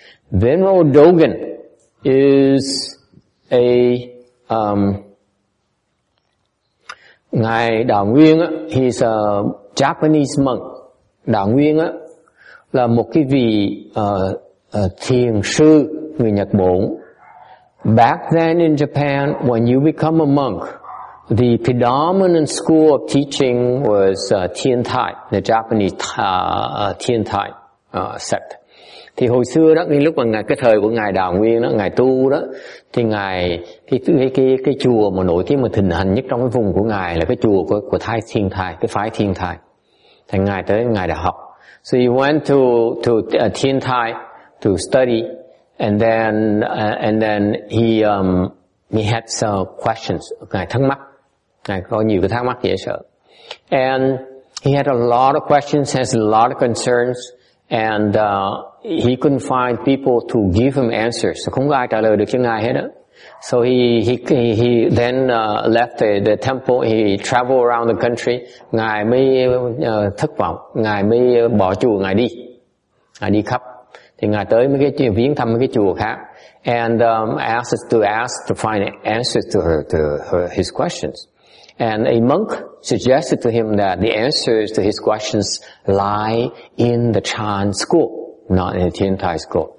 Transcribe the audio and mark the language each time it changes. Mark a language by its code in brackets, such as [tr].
[en] Venerable Dogen is a [vi] ngài Đạo Nguyên á, [en] he's a Japanese monk. [vi] Đạo Nguyên á là một cái vị thiền sư người Nhật Bản. [en] Back then in Japan, when you become a monk, the predominant school of teaching was Tiantai, the Japanese Tiantai sect. [vi] Thì hồi xưa đó, ngay lúc mà ngài cái thời của ngài Đạo Nguyên đó, ngài tu đó, thì ngài cái chùa mà nổi tiếng mà thịnh hành nhất trong cái vùng của ngài là cái chùa của Thái Tiantai, cái phái Tiantai. Thì ngài tới ngài đại học. [en] So he went to Tiantai to study, and then he had some questions. [vi] Ngài thắc mắc, ngài có nhiều cái thắc mắc dễ sợ. [en] And he had a lot of questions, has a lot of concerns, and he couldn't find people to give him answers. [vi] Không có ai trả lời được cho ngài hết á. [en] So he then left the temple. He traveled around the country. [vi] Ngài mới thất vọng, ngài mới bỏ chùa, ngài đi khắp. Thì ngài tới mấy cái chùa, viếng thăm mấy cái chùa khác, [en] and asked to find answers to her his questions. And a monk suggested to him that the answers to his questions lie in the Chan school, not in the Tiantai school.